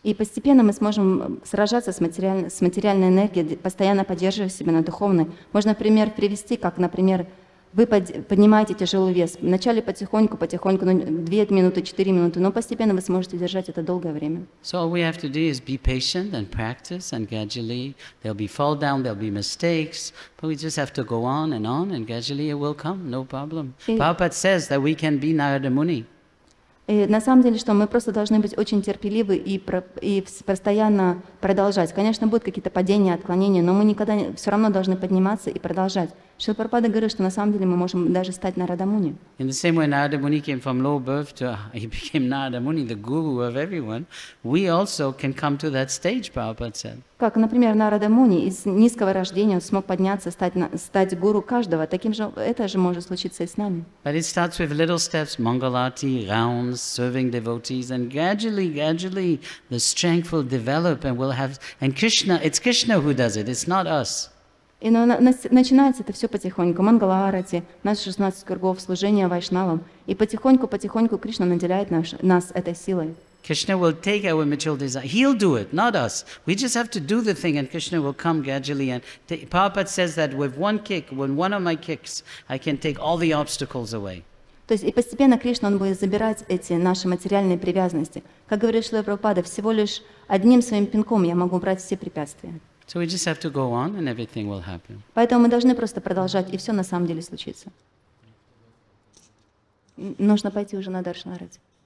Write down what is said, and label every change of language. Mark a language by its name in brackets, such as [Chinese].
[Russian] И постепенно мы сможем сражаться с материальной энергией, постоянно поддерживая себя на духовной. Можно пример привести, как, например. Вы поднимаете тяжелый вес. Вначале потихоньку, ну, 2 минуты, 4 минуты, но постепенно вы сможете держать это долгое время. [English] So all we have to do is be patient and practice, and gradually there'll be fall down, there'll be mistakes, but we just have to go on, and gradually it will come, no problem. Prabhupada says that we can be Narada Muni. [Russian] На самом деле, что мы просто должны быть очень терпеливы и постоянно продолжать. Конечно, будут какие-то падения, отклонения, но мы никогда все равно должны подниматься и продолжать. Шрила Прабхупада говорит, что на самом деле мы можем даже стать Нарада Муни. [English] In the same way Narada Muni came from low birth to he became Narada Muni, the guru of everyone, we also can come to that stage, Prabhupada said. [Russian] Как, например, Нарада Муни из низкого рождения смог подняться, стать гуру каждого. Таким же, это же может случиться и с нами. [English] But it starts with little steps, mangalati, rounds, serving devotees, and gradually the strength will develop and we'll have... And Krishna, it's Krishna who does it, it's not us. [Russian] И начинается это все потихоньку. Мангаларати, наши 16 кругов служения вайшнавам. И потихоньку Кришна наделяет нас этой силой. [English] Krishna will take our material desire. He'll do it, not us. We just have to do the thing and Krishna will come gradually. Prabhupada says that with one kick, with one of my kicks, I can take all the obstacles away. [Russian] То есть и постепенно Кришна он будет забирать эти наши материальные привязанности. Как говорит Шрила Прабхупада, всего лишь одним своим пинком я могу убрать все препятствия. So we just have to go on and everything will happen. Поэтому мы должны просто продолжать, и все на самом деле случится. Нужно пойти уже на даршнарать.